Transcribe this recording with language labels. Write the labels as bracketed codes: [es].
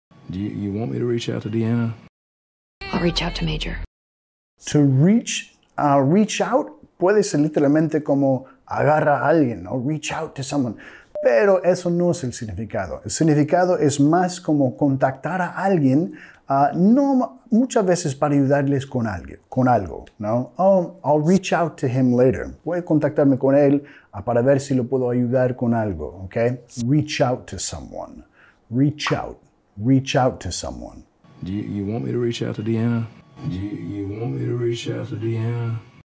[en] Do you want me to reach out to Deanna? I'll reach out to Major. To reach out [es] puede ser literalmente como agarra a alguien, ¿no? [en] Reach out to someone. [es] Pero eso no es el significado. El significado es más como contactar a alguien, no muchas veces para ayudarles con alguien, con algo, ¿no? [en] Oh, I'll reach out to him later. [es] Voy a contactarme con él para ver si lo puedo ayudar con algo, ¿okay? [en] Reach out to someone. Reach out. Reach out to someone. Do you want me to reach out to Deanna? Do you want me to reach out to Deanna?